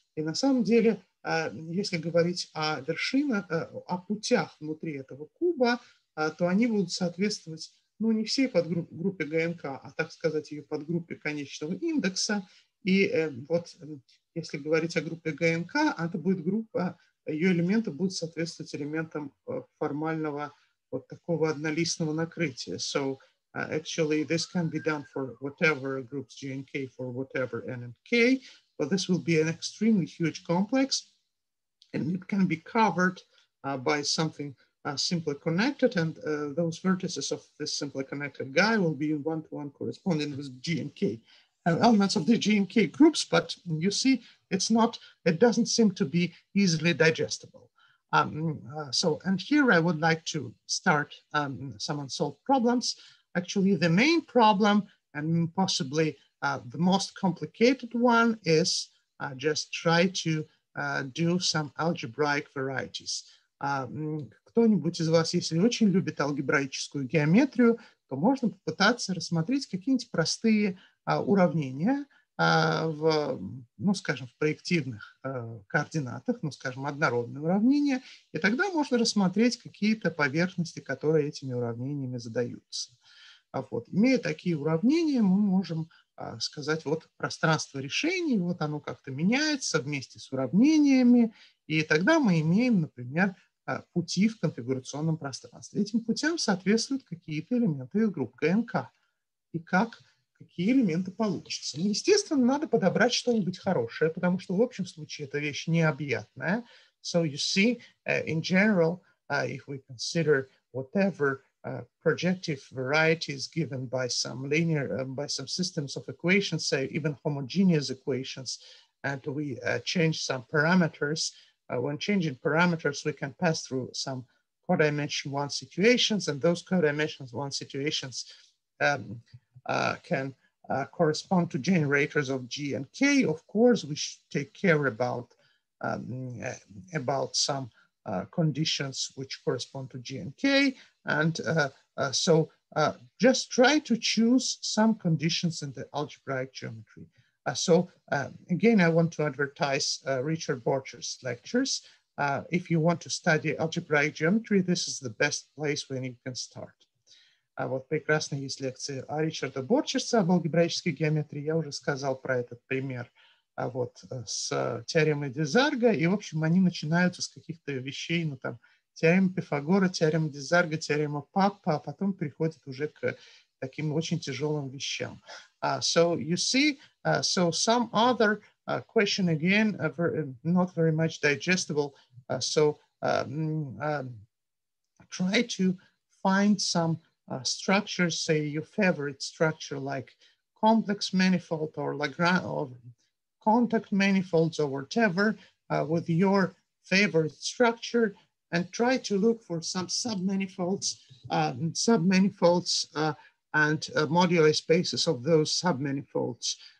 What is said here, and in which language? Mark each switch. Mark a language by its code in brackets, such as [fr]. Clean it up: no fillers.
[ru] И на самом деле, если говорить о вершинах, о путях внутри этого куба, то они будут соответствовать, ну, не всей подгруппе ГНК, а, так сказать, ее подгруппе конечного индекса. И вот если говорить о группе ГНК, это будет группа, ее элементы будут соответствовать элементам формального вот такого однолистного накрытия. [en] So actually this can be done for whatever groups GNK, for whatever N and K, but this will be an extremely huge complex, and it can be covered by something simply connected, and those vertices of this simply connected guy will be in one-to-one corresponding with GNK. Elements of the GNK groups, but you see, it doesn't seem to be easily digestible. And here I would like to start some unsolved problems. Actually, the main problem, and possibly the most complicated one, is just try to do some algebraic varieties. [ru] Кто-нибудь из вас, если очень любит алгебраическую геометрию, то можно попытаться рассмотреть какие-нибудь простые уравнения в, ну, скажем, в проективных координатах, ну, скажем, однородные уравнения, и тогда можно рассмотреть какие-то поверхности, которые этими уравнениями задаются. Вот, имея такие уравнения, мы можем сказать, вот пространство решений, вот оно как-то меняется вместе с уравнениями, и тогда мы имеем, например, пути в конфигурационном пространстве. Этим путям соответствуют какие-то элементы из групп ГНК. И как, какие элементы получатся. Ну, естественно, надо подобрать что-нибудь хорошее, потому что в общем случае эта вещь необъятная. [en] So you see, in general, if we consider whatever projective varieties given by some linear, by some systems of equations, say even homogeneous equations, and we change some parameters, when changing parameters, we can pass through some co-dimension one situations, and those co-dimension one situations can correspond to generators of G and K. Of course, we should take care about some conditions which correspond to G and K. And so just try to choose some conditions in the algebraic geometry. Again, I want to advertise Richard Borcher's lectures. If you want to study algebraic geometry, this is the best place when you can start. [ru] Вот прекрасно есть лекции о Ричарде Борчерсе об алгебраической геометрии. Я уже сказал про этот пример вот, с теоремой Дезарга. И, в общем, они начинаются с каких-то вещей, ну там, теорема Пифагора, теорема Дезарга, теорема Паппа, а потом приходят уже к таким очень тяжелым вещам. [en] So you see, so some other question again, not very much digestible. Try to find some structures, say your favorite structure like complex manifold or Lagrange or contact manifolds or whatever, with your favorite structure, and try to look for some submanifolds and moduli spaces of those submanifolds.